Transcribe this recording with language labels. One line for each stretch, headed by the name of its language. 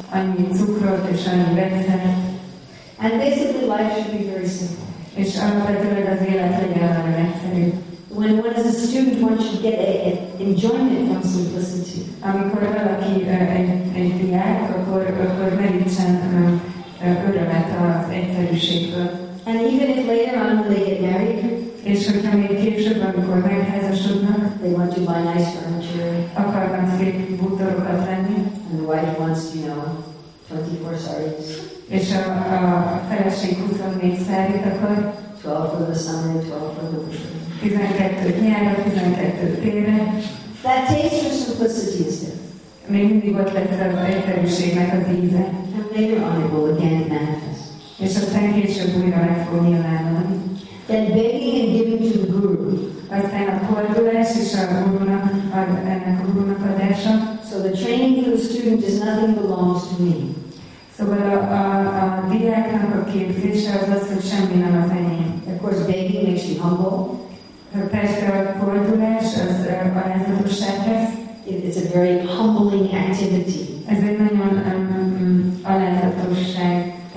Hungarian: Annyi cukrot és annyi vegyszeret.
English: And basically life should be very simple.
Hungarian: És alapvetően az élet legyen nagyon egyszerű.
English: When one is a student, one should get an enjoyment from simplicity.
Hungarian: Amikor valaki egy diák, akkor merítsen örömet az egyszerűségből.
English: And even if later on when they get married,
Hungarian: és hogyha még később, amikor megházasodnak,
English: they want to buy nice furniture.
Hungarian: Akarnak szép bútorokat venni.
English: And the wife wants, you know, 24 saris.
Hungarian: És a feleség 24 sarit akar.
English: 12 for the summer, 12 for the winter.
Hungarian: 12 nyára, 12 télre.
English: That taste for simplicity is there.
Hungarian: Még mindig ott lesz az egyszerűségnek az íze.
English: And later on it will again manifest.
Hungarian: És aztán később újra meg fog nyilvánulni.
English: Then begging and giving to the guru.
Hungarian: Aztán a koldulás és a gurunak, ennek a gurunak adása.
English: So the training for the student is nothing belongs to me.
Hungarian: Szóval a diáknak a képzése az az, hogy semmi nem az enyém.
English: Of course, begging makes you humble.
Hungarian: Persze a koldulás az alázatossághoz.
English: It's a very humbling activity.
Hungarian: Ez egy nagyon alázatosság.